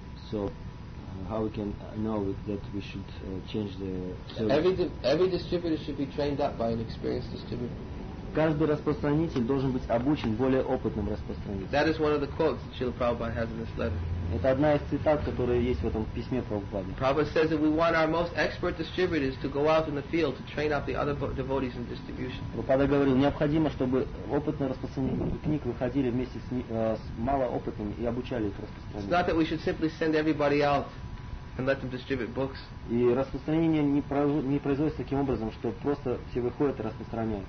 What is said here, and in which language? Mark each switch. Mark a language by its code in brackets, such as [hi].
[en] So how we can know that we should change the service? Every distributor should be trained up by an experienced distributor. [ru] Каждый распространитель должен быть обучен более опытным распространителем. [en] That is one of the quotes that Srila Prabhupada has in this letter. [ru] Это одна из цитат, которая есть в этом письме Прабхупады. [en] Prabhupada says that we want our most expert distributors to go out in the field to train up the other devotees in distribution. [ru] Прабхупада говорил, необходимо, чтобы опытные распространители книг выходили вместе с малоопытными и обучали их распространению. [en] It's not that we should simply send everybody out and let them distribute books. [ru] И распространение не производится таким образом, что просто все выходят и распространяют.